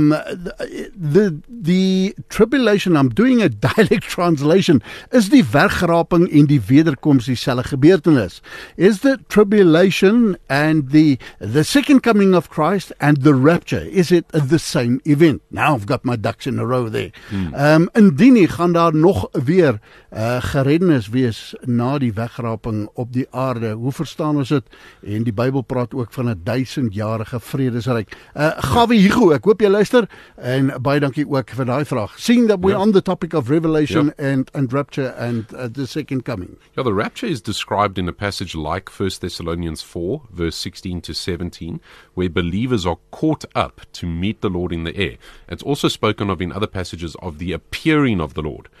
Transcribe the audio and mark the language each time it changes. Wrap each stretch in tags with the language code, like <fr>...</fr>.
<en>The tribulation, I'm doing a dialect translation,</en> <af>is die vergraping en die wederkomst dieselfde gebeurtenis?</af> <en>Is the tribulation and the second coming of Christ and the rapture, is it the same event? Now I've got my ducks in a row there.</en> <af>Indien nie, gaan daar nog weer gerednis wees na die wegraping op die aarde. Hoe verstaan ons dit? En die Bybel praat ook van 'n 1000-jarige vredesryk. Gawie Hugo, ek hoop jy luister en baie dankie ook vir daai vraag.</af> <en>Seeing that we're on the topic of Revelation and rapture and the second coming. Yeah, the rapture is described in a passage like 1 Thessalonians 4 verse 16 to 17 where believers are caught up to meet the Lord in the air. It's also spoken of in other passages of the appearing of the Lord.</en>